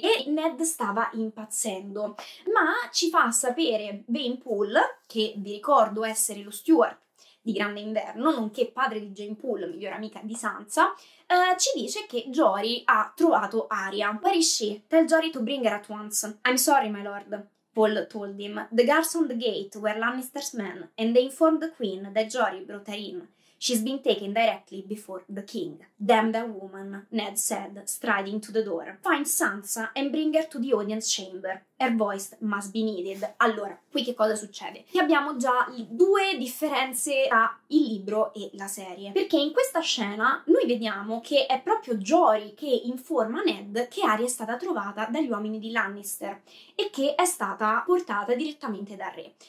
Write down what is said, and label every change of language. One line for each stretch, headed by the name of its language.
Italian: E Ned stava impazzendo. Ma ci fa sapere Vane Poole, che vi ricordo essere lo Steward di Grande Inverno, nonché padre di Jane Poole, migliore amica di Sansa, ci dice che Jory ha trovato Arya.
English: Where is she? Tell Jory to bring her at once. I'm sorry, my lord, Poole told him. The guards on the gate were Lannister's men, and they informed the queen that Jory brought her in. She's been taken directly before the king. Damn that woman, Ned said, striding to the door. Find Sansa and bring her to the audience chamber. Her voice must be needed.
Italian: Allora, qui che cosa succede? Qui abbiamo già due differenze tra il libro e la serie. Perché in questa scena noi vediamo che è proprio Jory che informa Ned che Arya è stata trovata dagli uomini di Lannister e che è stata portata direttamente dal re.